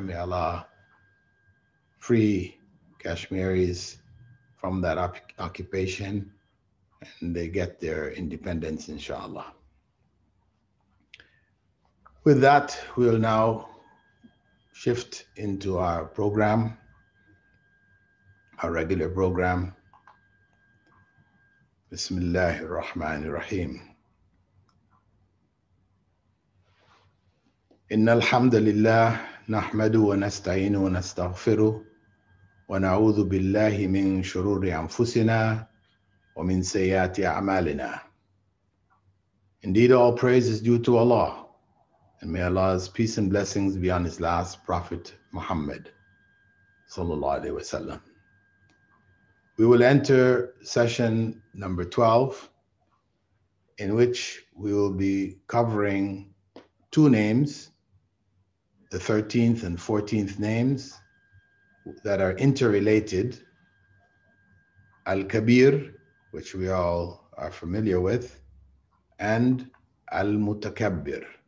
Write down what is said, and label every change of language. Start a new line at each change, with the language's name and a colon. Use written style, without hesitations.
English: May Allah free Kashmiris from that occupation and they get their independence, inshallah. With that, we'll now shift into our program, our regular program.
Arabic: بسم الله الرحمن الرحيم إن الحمد لله نحمده ونستعينه ونستغفره ونعوذ بالله من شرور أنفسنا ومن سيئات أعمالنا.
English: Indeed, all praise is due to Allah, and may Allah's peace and blessings be on His last Prophet Muhammad, sallallahu alaihi wasallam. We will enter session number 12, in which we will be covering two names, the 13th and 14th names that are interrelated, Al-Kabir, which we all are familiar with, and Al-Mutakabbir.